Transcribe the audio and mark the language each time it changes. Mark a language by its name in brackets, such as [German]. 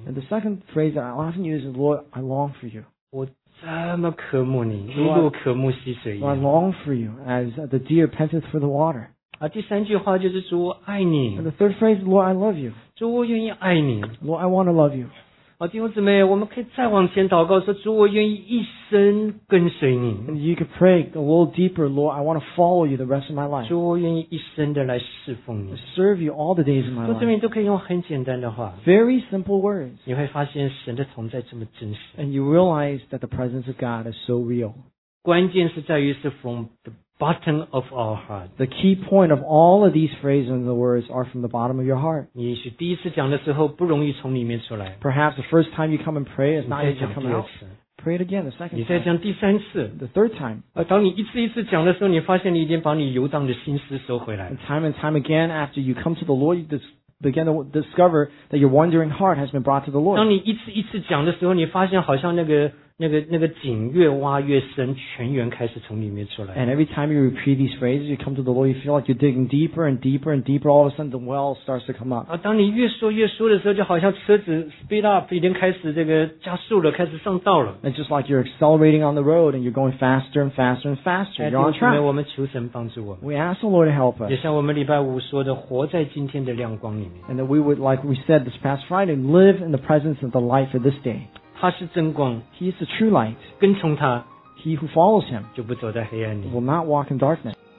[English] And the second phrase that I often use is, Lord, I long for you. [Chinese] 我这么渴慕你，一路渴慕溪水一样。 [English] I long for you as the deer panteth for the water. [Chinese] 啊，第三句话就是主我爱你。 [English] And the third phrase, Lord, I love you. [Chinese] 主我愿意爱你。 [English] Lord, I want to love you. [Chinese] 啊，弟兄姊妹，我们可以再往前祷告说，主我愿意一生跟随你。 [English] And you can pray a little deeper, Lord, I want to follow you the rest of my life. [Chinese] 主我愿意一生的来侍奉你。 [English] Serve you all the days of my life. [Chinese] 弟兄姊妹都可以用很简单的话。 [English] Very simple words. [Chinese] 你会发现神的同在这么真实。 [English] And you realize that the presence of God is so real. [Chinese] 关键是在于是 [English] from the bottom of our heart. The key point of all of these phrases and the words are from the bottom of your heart. [Chinese] 也许第一次讲的时候不容易从里面出来。 [English] Perhaps the first time you come and pray is not easy to come out. Pray it again, the second time. [Chinese] 你再讲第三次 [English] ，the third time. [Chinese] 当你一次一次讲的时候，你发现你已经把你游荡的心思收回来。 [English] And time and time again, after you come to the Lord, you begin to discover that your wandering heart has been brought to the Lord. [Chinese] 当你一次一次讲的时候，你发现好像那个井越挖越深，泉源开始从里面出来。 [English] And every time you repeat these phrases, you come to the Lord, you feel like you're digging deeper and deeper and deeper. All of a sudden, the well starts to come up. [Chinese] 当你越说越说的时候，就好像车子 [English] speed up [Chinese] 已经开始这个加速了，开始上道了。 [English] It's just like you're accelerating on the road and you're going faster and faster and faster. You're on track. [Chinese] 我们求神帮助我们。 [English] We ask the Lord to help us. [Chinese] 也像我们礼拜五说的，活在今天的亮光里面。 [English] And that we would, like we said this past Friday, live in the presence of the light for this day. [Chinese] 他是真光 [English] He is the true light. [Chinese] 跟从他 [English] He who follows him [Chinese] 就不走在黑暗里 [English] will not walk in darkness.